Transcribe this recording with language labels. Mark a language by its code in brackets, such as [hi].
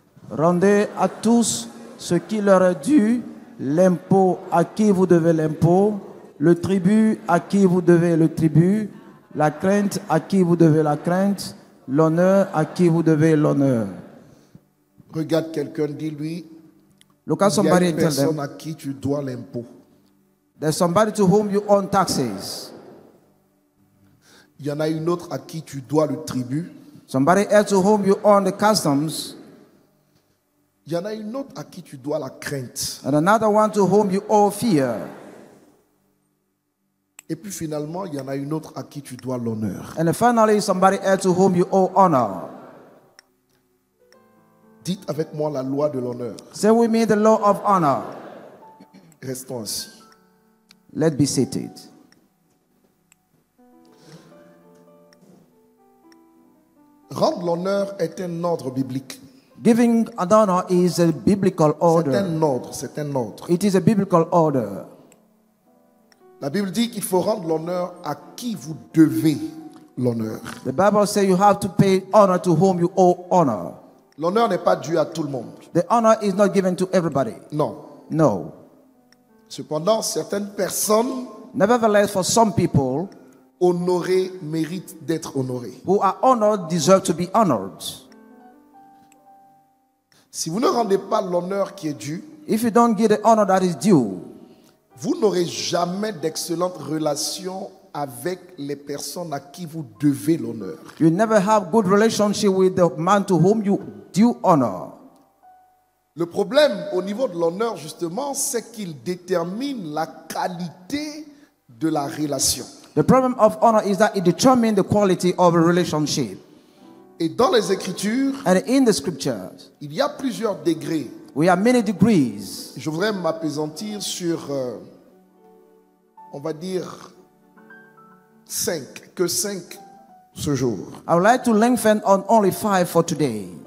[fr] Rendez à tous ce qui leur est dû, l'impôt à qui vous devez l'impôt, le tribut à qui vous devez le tribut, la crainte à qui vous devez la crainte, l'honneur à qui vous devez l'honneur. Regarde quelqu'un, dis-lui, [en] look at somebody, [fr] il y a une personne à qui tu dois l'impôt. [en] There's somebody to whom you own taxes. [fr] Il y en a une autre à qui tu dois le tribut. [en] Somebody else to whom you own the customs. [fr] Il y en a une autre à qui tu dois la crainte. [en] And another one to whom you owe fear. [fr] Et puis finalement, il y en a une autre à qui tu dois l'honneur. [en] And finally, somebody else to whom you owe honor. [fr] Dites avec moi la loi de l'honneur. [en] Say with me the law of honor. [fr] Restons ainsi. [en] Let be seated. [fr] Rendre l'honneur est un ordre biblique. [en] Giving an honor is a biblical order. [fr] C'est un ordre, c'est un ordre. [en] It is a biblical order. [fr] La Bible dit qu'il faut rendre l'honneur à qui vous devez l'honneur. [en] The Bible says you have to pay honor to whom you owe honor. [fr] L'honneur n'est pas dû à tout le monde. [en] The honor is not given to everybody. [fr] Non. [en] No. [fr] Cependant, certaines personnes, [en] nevertheless, for some people, [fr] honorées méritent d'être honorées. [en] Who are honored deserve to be honored. [fr] Si vous ne rendez pas l'honneur qui est dû, [en] if you don't give the honor that is due, [fr] vous n'aurez jamais d'excellentes relations avec les personnes à qui vous devez l'honneur. [en] You never have good relationship with the man to whom you due honor. [fr] Le problème au niveau de l'honneur, justement, c'est qu'il détermine la qualité de la relation. [en] The problem of honor is that it determines the quality of a relationship. [fr] Et dans les Écritures, [en] and in the scriptures, [fr] il y a plusieurs degrés. [en] We have many degrees. [fr] Je voudrais m'appesantir sur, on va dire, cinq ce jour. [en] I would like to lengthen on only five for today.